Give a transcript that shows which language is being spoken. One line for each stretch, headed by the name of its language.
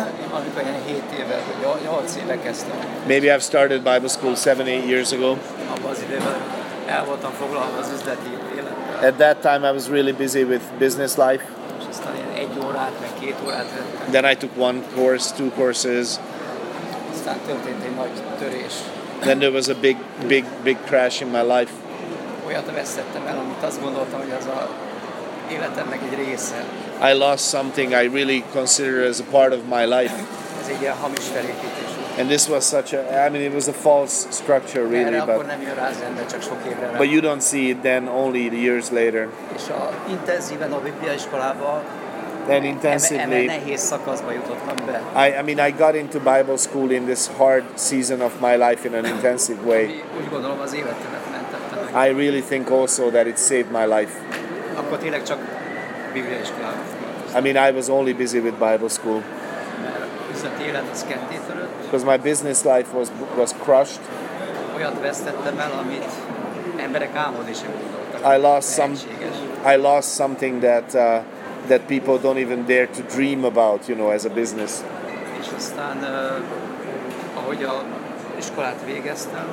Hungarian: Amikor ilyen 7 éve, 8 éve kezdtem.
English: Maybe I've started Bible school 7-8 years ago.
Hungarian: Abban az időben el voltam foglalva az üzleti élettel.
English: At that time I was really busy with business life.
Hungarian: És aztán ilyen 1 órát, meg 2 órát vettem.
English: Then I took 1 course, 2 courses.
Hungarian: Aztán történt egy nagy törés.
English: Then there was a big crash in my life.
Hungarian: Olyat veszettem el, amit azt gondoltam, hogy az a életemnek egy része.
English: I lost something I really consider as a part of my life.
Hungarian: Ez egy ilyen hamis felépítés.
English: And this was it was a false structure really.
Hungarian: Erre akkor nem jön rá az ember, csak sok évre rá.
English: But you don't see it then only the years later.
Hungarian: És a intenzíven a Biblia iskolába.
English: Then intensively.
Hungarian: Ebben nehéz szakaszba jutottam be.
English: I got into Bible school in this hard season of my life in an intensive way.
Hungarian: Úgy gondolom az életemet mentette meg.
English: I really think also that it saved my life.
Hungarian: Akkor tényleg csak Biblia
English: iskolába. I was only busy with Bible school.
Hungarian: Üzleti élet az ketté törött.
English: Because my business life was crushed.
Hungarian: Olyat vesztettem el, amit emberek álmodni sem gondoltak.
English: I lost something that that people don't even dare to dream about, you know, as a business.
Hungarian: És aztán, ahogy a iskolát végeztem.